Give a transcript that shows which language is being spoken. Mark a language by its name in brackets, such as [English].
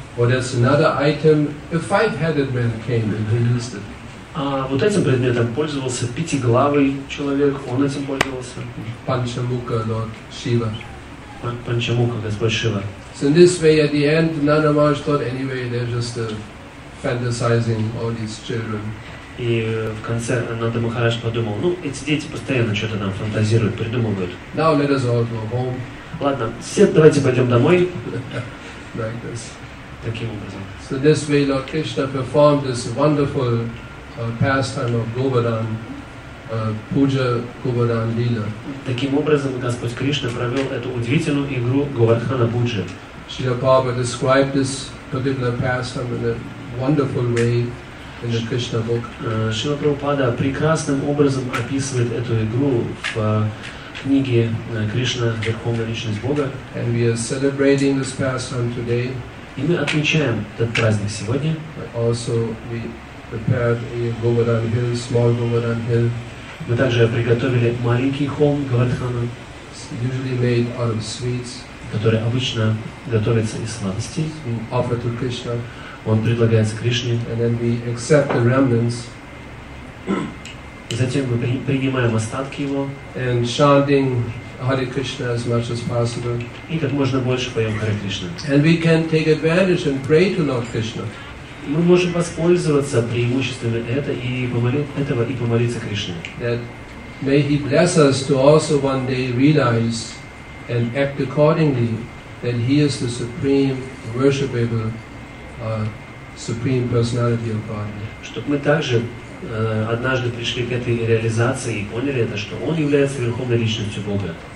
[English] Well, that's another item. A five-headed man came and he used it. [Russian] А вот этим предметом пользовался пятиглавый человек, он этим пользовался. [English] Панчамука, Lord Shiva. [Russian] Панчамука, Господь Шива. [English] So in this way, at the end, Nanda Maharaj thought, anyway, they're just fantasizing all these children. [Russian] И в конце Нанда Махарадж подумал, ну, эти дети постоянно что-то там фантазируют, придумывают. [English] Now let us all go home. [Russian] Ладно, все давайте пойдем домой. [English] Like this. [Russian] Таким образом. [English] So this way, Lord Krishna performed this wonderful pastime of Govardhan. [Russian] Пуджа Говардхан Лила. Таким образом, Господь Кришна провел эту удивительную игру Говардхана Пуджи. [English] Шрила Прабхупада described this particular pastime in a wonderful way in the Krishna book. [Russian] Шрила Прабхупада прекрасным образом описывает эту игру в книге Кришна Верховная Личность Бога. [English] And we are celebrating this pastime today. [Russian] И мы отмечаем этот праздник сегодня. [English] Also we prepared a Govardhan Hill, small Govardhan Hill. [Russian] Мы также приготовили маленький холм Говардхана, [English] usually made out of sweets, [Russian] который обычно готовится из сладостей. [English] We offer to Krishna. [Russian] Он предлагается Кришне. [English] And then we accept the remnants. [Russian] Затем мы принимаем остатки его. [English] And chanting Hare Krishna as much as possible. [Russian] И как можно больше поем Харе Кришна. [English] And we can take advantage and pray to Lord Krishna. [Russian] Мы можем воспользоваться преимуществами этого и помолиться Кришне. [English] That may He bless us to also one day realize and act accordingly that He is the supreme worshipable, supreme personality of Godhead. [Russian] Чтобы мы также однажды пришли к этой реализации и поняли это, что Он является Верховной Личностью Бога.